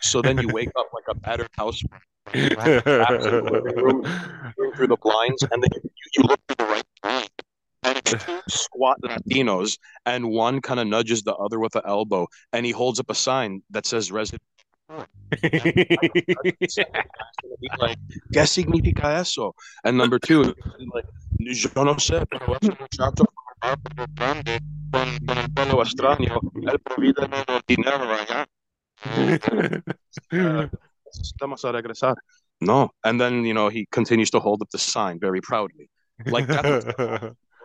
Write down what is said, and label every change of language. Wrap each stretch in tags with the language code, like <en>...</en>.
<en>So then you wake up like a battered house. You have the traps in the living room, peering through the blinds, and then you look through the right blind. And it's two squat Latinos, and one kind of nudges the other with an elbow, and he holds up a sign that says Resident Evil 4. And I can send him past and be like,</en> <es>¿Qué significa eso?</es> <en>And number two, like,</en> <es>yo no sé, pero es un muchacho con un grande, con el pelo extraño, él provide no dinero allá. Estamos a regresar. No.</es> <en>And then, he continues to hold up the sign very proudly. Like, that's what's going on.</en>